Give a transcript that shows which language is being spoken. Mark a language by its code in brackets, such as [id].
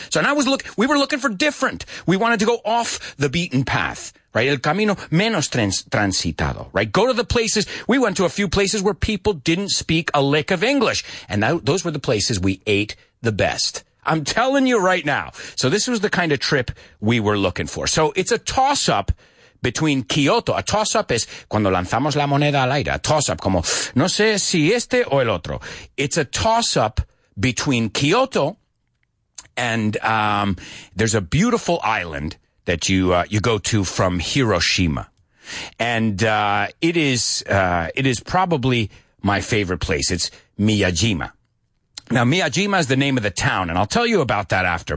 [en] So, and I was we were looking for different. We wanted to go off the beaten path, right? [es] El camino menos transitado, [en] right? Go to the places, we went to a few places where people didn't speak a lick of English, and those were the places we ate the best. I'm telling you right now. So this was the kind of trip we were looking for. So it's a toss-up between Kyoto. A toss-up is [es] cuando lanzamos la moneda al aire. A toss-up como, no sé si este o el otro. [en] It's a toss-up between Kyoto and there's a beautiful island that you go to from Hiroshima. And it is probably my favorite place. It's Miyajima. Now, Miyajima is the name of the town, and I'll tell you about that after.